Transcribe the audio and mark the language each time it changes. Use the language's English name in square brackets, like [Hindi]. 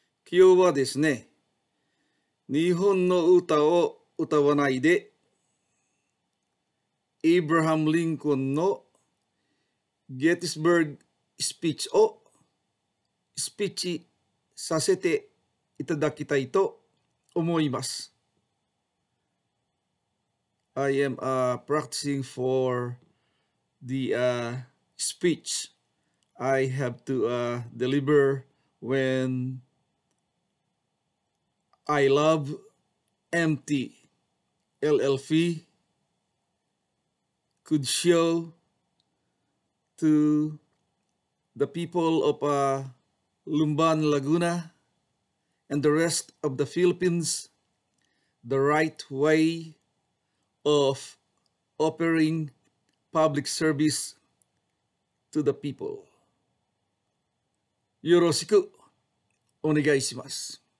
[Japanese] 今日はですね、日本の歌を歌わないで、エイブラハム・リンコンの Gettysburg スピーチをスピーチさせていただきたいと思います。 [English] I am practicing for the speech I have to deliver when aiLOVE MT LLP could show to the people of Lumban Laguna and the rest of the Philippines the right way of offering public service to the people. [Japanese] よろしくお願いします。